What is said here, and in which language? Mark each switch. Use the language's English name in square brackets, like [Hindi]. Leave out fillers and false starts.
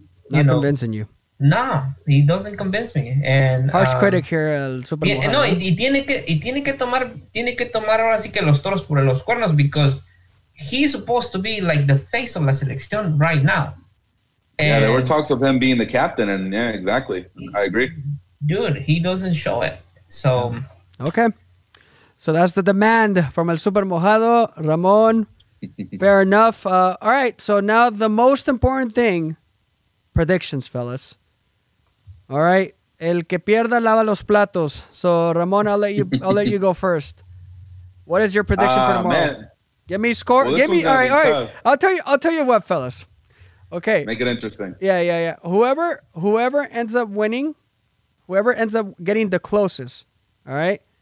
[English] you know. Not convincing you. No, he doesn't convince me. And harsh critic here, el super. [Spanish] No, y tiene que tomar ahora sí que los toros por los cuernos, [English] because he's supposed to be like the face of la selección right now. And yeah, there were talks of him being the captain, and yeah, exactly. I agree. Dude, he doesn't show it. So okay. So that's the demand from El Super Mojado, Ramon. Fair enough. All right. So now the most important thing, predictions, fellas. All right. [Spanish] El que pierda lava los platos. [English] So Ramon, I'll let you go first. What is your prediction for tomorrow? Man. Give me score. Well, give me. All right. All right. Tough. I'll tell you what, fellas. Okay. Make it interesting. Yeah. Whoever ends up getting the closest. All right.